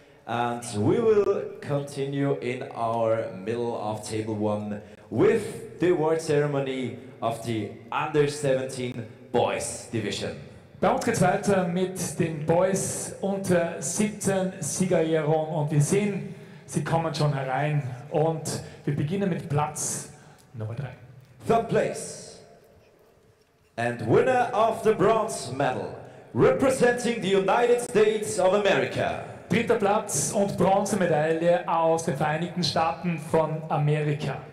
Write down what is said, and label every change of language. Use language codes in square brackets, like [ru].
[en] And we will continue in our middle of table one with the award ceremony of the under 17 boys division. [de] Bei uns geht's weiter mit den Boys unter 17 Siegerehrung und wir sehen, sie kommen schon herein und wir beginnen mit Platz Nummer 3. [en] Third place and winner of the bronze medal representing the United States of America. [de] Dritter Platz und Bronzemedaille aus den Vereinigten Staaten von Amerika.